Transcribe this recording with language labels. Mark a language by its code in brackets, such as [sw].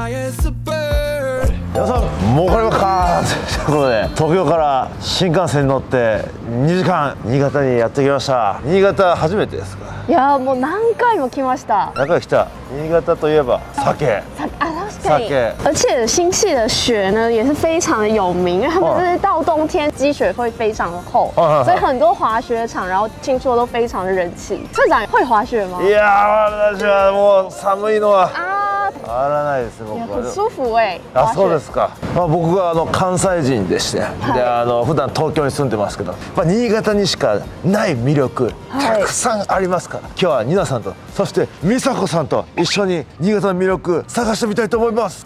[ja] もうこれかということで、東京から新幹線乗って2時間新潟にやってきました。新潟初めてですか？いやもう何回も来ました。何回来た？新潟といえば酒。確かに。 [zh] 而且新潟的雪呢也是非常的有名，因为他们就是到冬天积雪会非常的厚，所以很多滑雪场然后听说都非常的人气。社长会滑雪吗？ [ja] いや私はもう寒いのは変わらないです。僕は [zh] 舒服耶。 [ja] あ、そうですか。まあ、僕はあの関西人でして、で、あの普段東京に住んでますけど、まあ、新潟にしかない魅力たくさんありますから、今日はニナさんとそして美佐子さんと一緒に新潟の魅力探してみたいと思います。